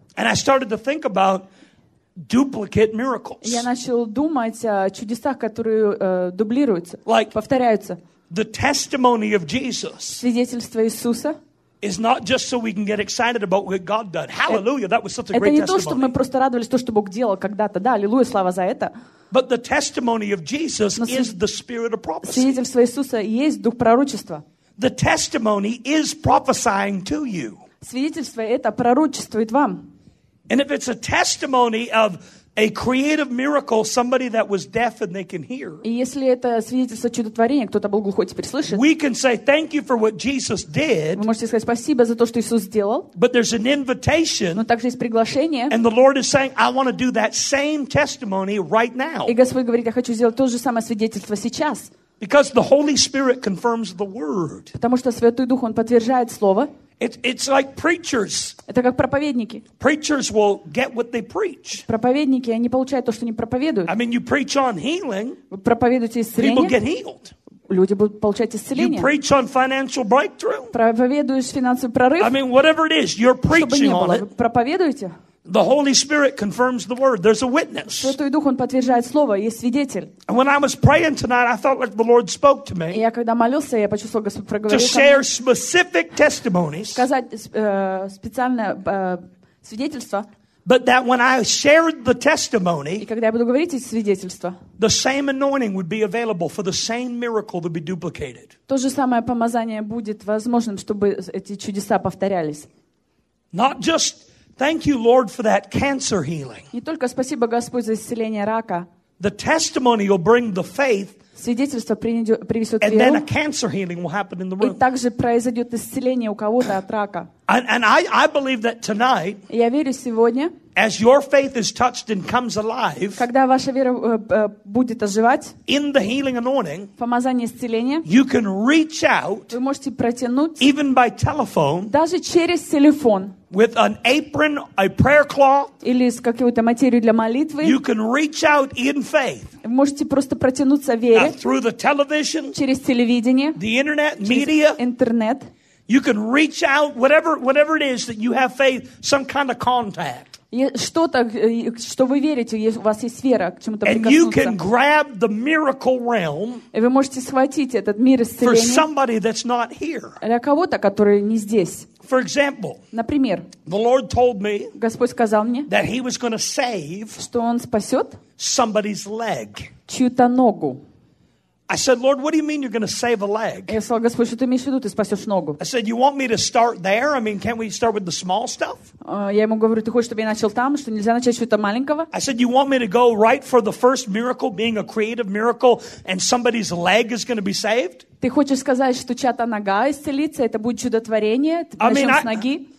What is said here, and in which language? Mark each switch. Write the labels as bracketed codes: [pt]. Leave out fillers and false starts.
[en] And I started to think about duplicate miracles. [ru] Я начал думать о чудесах, которые дублируются, повторяются. [en] The testimony of Jesus. [ru] Свидетельство Иисуса. [en] Is not just so we can get excited about what God did. Hallelujah, that was such a great testimony. [ru] Это не то, чтобы мы просто радовались то, что Бог делал когда-то. Да, аллилуйя, слава за это. [en] But the testimony of Jesus is the spirit of prophecy. [ru] Свидетельство Иисуса есть дух пророчества. [en] The testimony is prophesying to you. [ru] Свидетельство это пророчествует вам. [en] And if it's a testimony of a creative miracle, somebody that was deaf and they can hear. [ru] И если это свидетельство чудотворения, кто-то был глухой, теперь слышит. [en] We can say thank you for what Jesus did. [ru] Вы можете сказать спасибо за то, что Иисус сделал. [en] But there's an invitation. [ru] Но также есть приглашение. [en] And the Lord is saying, I want to do that same testimony right now. [ru] И Господь говорит, я хочу сделать то же самое свидетельство сейчас. [en] Because the Holy Spirit confirms the word. [ru] Потому что Святой Дух он подтверждает слово. [en] It's like preachers. [ru] Это как проповедники. [en] Preachers will get what they preach. [ru] Проповедники, они получают то, что они проповедуют. [en] I mean, you preach on healing. [ru] Вы проповедуете исцеление. [en] People get healed. [ru] люди будут получать исцеление. [en] You preach on financial breakthrough. [ru] Проповедуешь финансовый прорыв. [en] I mean, whatever it is, you're preaching on it. [ru] Проповедуете. [en] The Holy Spirit confirms the word. There's a witness. [ru] Святой Дух, он подтверждает слово, есть свидетель. [en] And when I was praying tonight, I felt like the Lord spoke to me. [ru] Я когда молился, я почувствовал, Господь проговорил. [en] To share specific testimonies. [ru] Сказать специальное свидетельство. [en] But that when I shared the testimony, [ru] и когда я буду говорить эти свидетельства, [en] the same anointing would be available for the same miracle to be duplicated. [ru] То же самое помазание будет возможным, чтобы эти чудеса повторялись. [en] Not just thank you, Lord, for that cancer healing. [ru] Не только спасибо, Господь, за исцеление рака. [en] The testimony will bring the faith. [ru] Свидетельство привезет веру. [en] And then a cancer healing will happen in the room. [ru] И также произойдет исцеление у кого-то от рака. [en] And I believe that tonight. [ru] Я верю сегодня. [en] As your faith is touched and comes alive. [ru] Когда ваша вера будет оживать. [en] In the healing anointing. [ru] Помазание исцеления. [en] You can reach out. [ru] Вы можете протянуть. [en] Even by telephone. [ru] Даже через телефон. [en] With an apron, a prayer cloth. [ru] Или с какой-то материей для молитвы. [en] You can reach out in faith. [ru] Вы можете просто протянуться в вере. [en] Now, through the television. [ru] Через телевидение. [en] The internet, media. [ru] Интернет. [en] You can reach out, whatever it is that you have faith, some kind of contact. [ru] Что-то, что вы верите, у вас есть вера к чему-то прикоснуться. [en] And you can grab the miracle realm. [ru] И вы можете схватить этот мир исцеления. [en] For somebody that's not here. [ru] Для кого-то, который не здесь. [en] For example. [ru] Например. [en] The Lord told me. [ru] Господь сказал мне. [en] That he was going to save. [ru] Что он спасет. [en] Somebody's leg. [ru] Чью-то ногу. [en] I said, Lord, what do you mean you're going to save a leg? [ru] Я сказал, Господь, что ты имеешь в виду, ты спасешь ногу? [en] I said, you want me to start there? I mean, can't we start with the small stuff? [ru] Я ему говорю, ты хочешь, чтобы я начал там, что нельзя начать что-то маленького? [en] I said, you want me to go right for the first miracle, being a creative miracle, and somebody's leg is going to be saved? [ru] Ты хочешь сказать, что чья-то нога исцелится, это будет чудотворение, начнем с ноги?